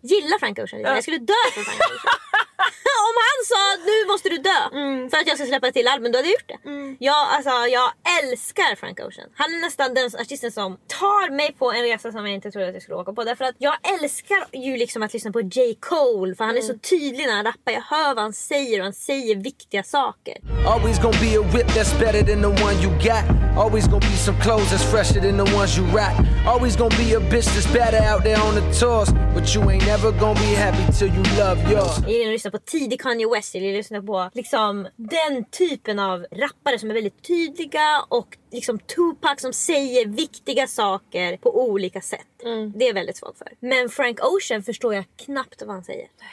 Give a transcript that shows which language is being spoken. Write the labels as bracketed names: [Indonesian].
[Swedish] Gillar Frank Ocean, jag skulle dö för Frank Ocean. Om han sa nu måste du dö för att jag ska släppa till album, då hade jag gjort det. Jag, alltså, jag älskar Frank Ocean. Han är nästan den artisten som tar mig på en resa som jag inte trodde att jag skulle åka på. Därför att jag älskar ju liksom att lyssna på J. Cole, för han är så tydlig när han rappar. Jag hör vad han säger och han säger viktiga saker. [English] Always gonna be a whip that's better than the one you got. Always gonna be some clothes that's fresher than the ones you rock. Always gonna be a bitch that's better out there on the tours. But you ain't never gonna be happy till you love yours. [Swedish] Lyssna på tidig Kanye West, eller lyssna på liksom den typen av rappare som är väldigt tydliga och liksom Tupac som säger viktiga saker på olika sätt. Det är väldigt svårt för. Men Frank Ocean förstår jag knappt vad han säger.